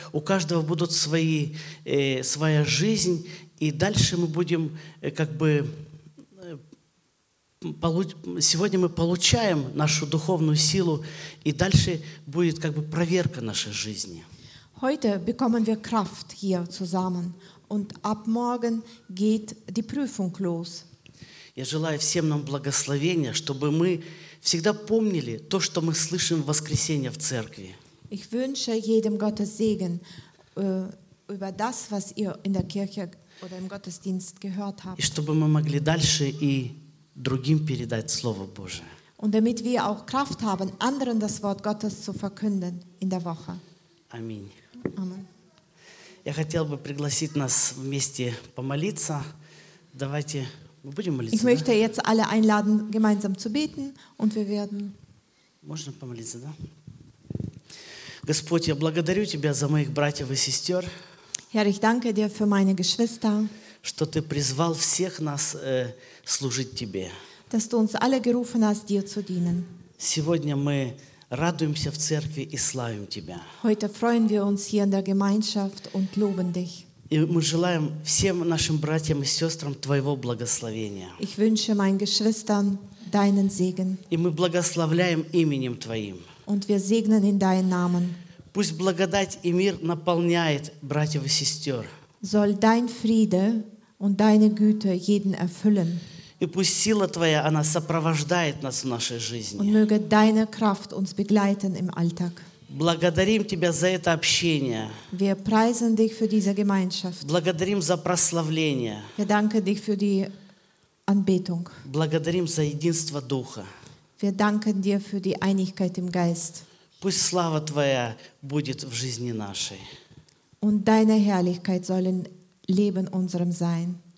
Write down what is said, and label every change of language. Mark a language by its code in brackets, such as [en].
[ru] У каждого будут свои, своя жизнь. И дальше мы будем, как бы, сегодня мы получаем нашу духовную силу, и дальше будет как бы проверка нашей жизни. [de] Heute bekommen wir Kraft hier zusammen, und ab morgen geht die Prüfung los. [ru] Я желаю всем нам благословения, чтобы мы всегда помнили то, что мы слышим в воскресенье в церкви. [de] Ich wünsche jedem Gottes Segen über das, was ihr in der Kirche oder im Gottesdienst gehört habt. [ru] И чтобы мы могли дальше и другим передать Слово Божие. [de] Und damit wir auch Kraft haben, anderen das Wort Gottes zu verkünden in der Woche. [ru] Аминь. Amen. Я хотел бы пригласить нас вместе помолиться. Давайте мы будем молиться. [de] Ich möchte jetzt alle einladen, gemeinsam zu beten, und wir werden. [ru] Можно помолиться, да? Господь, я благодарю Тебя за моих братьев и сестер. [de] Herr, ich danke dir für meine Geschwister. [ru] Что Ты призвал всех нас служить Тебе. [de] Dass du uns alle gerufen hast, dir zu dienen. [ru] Сегодня мы радуемся в церкви и славим Тебя. [de] Heute freuen wir uns hier in der Gemeinschaft und loben dich. [ru] И мы желаем всем нашим братьям и сестрам твоего благословения. [de] Ich wünsche meinen Geschwistern deinen Segen. [ru] И мы благословляем именем твоим. [de] Und wir segnen in deinen Namen. [ru] Пусть благодать и мир наполняет братьев и сестер. [de] Soll dein Friede und deine Güte jeden erfüllen. [ru] И пусть сила твоя, она сопровождает нас в нашей жизни. [de] Und möge deine Kraft uns begleiten im Alltag. [ru] Благодарим тебя за это общение. [de] Wir preisen dich für diese Gemeinschaft. [ru] Благодарим за прославление. [de] Wir danken dich für die Anbetung. [ru] Благодарим за единство духа. [de] Wir danken dir für die Einigkeit im Geist. [ru] Пусть слава твоя будет в жизни нашей. [de] Und deine Herrlichkeit soll im Leben unserem sein.